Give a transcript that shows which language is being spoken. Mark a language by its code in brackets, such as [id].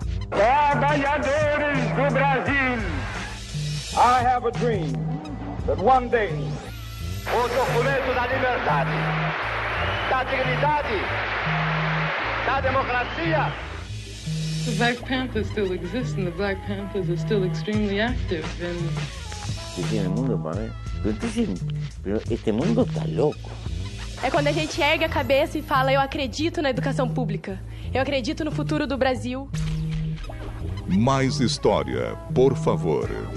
[pt] Trabalhadores do Brasil. [en] I have a dream that one day [pt] o documento da liberdade, da dignidade, da democracia. [en] The Black Panthers still exist and the Black Panthers are still extremely active and [es] en el mundo para pero este mundo está loco. [pt] É quando a gente ergue a cabeça e fala: eu acredito na educação pública. Eu acredito no futuro do Brasil. Mais história, por favor.